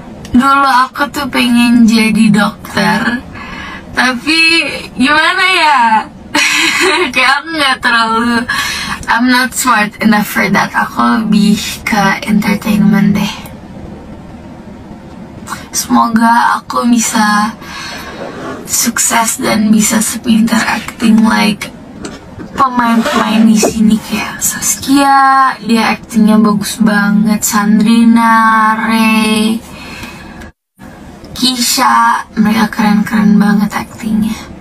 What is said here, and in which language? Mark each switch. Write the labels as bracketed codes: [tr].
[id] Dulu aku tuh pengen jadi dokter, tapi gimana ya? Kayak aku gak terlalu, [en] I'm not smart enough for that. [id] Aku lebih ke entertainment deh. Semoga aku bisa sukses dan bisa sepintar [en] acting like [id] pemain-pemain di sini kayak Saskia. Dia actingnya bagus banget. Sandrina, Ray, Kisha, mereka keren-keren banget actingnya.